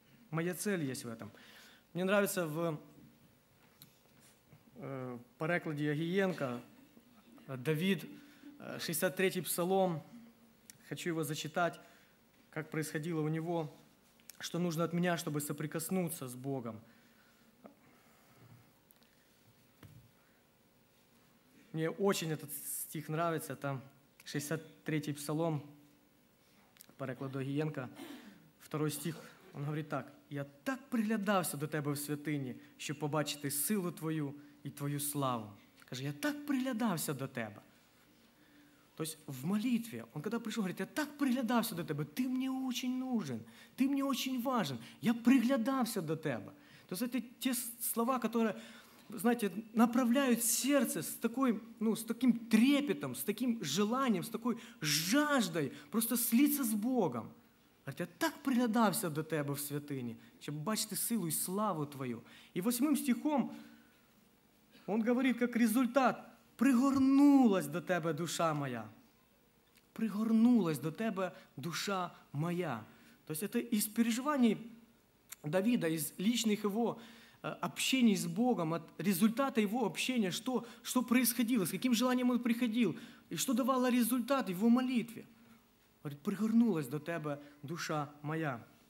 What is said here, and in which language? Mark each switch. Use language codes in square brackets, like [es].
[ru] Моя цель есть в этом. Мне нравится в Перекладі Агієнка Давид, 63-й псалом, хочу его зачитать, как происходило у него, что нужно от меня, чтобы соприкоснуться с Богом. Мне очень этот стих нравится, там 63-й псалом, Перекладу Агієнка, 2-й стих, он говорит так. [uk] «Я так приглядався до Тебе в святині, щоб побачити силу Твою і Твою славу». Каже, «Я так приглядався до Тебе». [ru] То есть в молитве, он когда пришел, говорит, [uk] я так приглядався [ru] до тебя, ты мне очень нужен, ты мне очень важен, я приглядався до тебя. То есть это те слова, которые, знаете, направляют сердце с такой, ну, с таким трепетом, с таким желанием, с такой жаждой просто слиться с Богом. Говорит, [uk] я так приглядався до тебе в святині, щоб бачити силу і славу твою. І восьмим стихом он говорить, як результат, пригорнулась до тебе душа моя. Пригорнулась до тебе душа моя. Тобто це із переживань Давида, із личних його общений з Богом, от результата його общения, що відбувалося, з яким желанням він приходив, і що давало результат його молитві. [ru] Говорит, [uk] пригорнулась до тебе душа моя.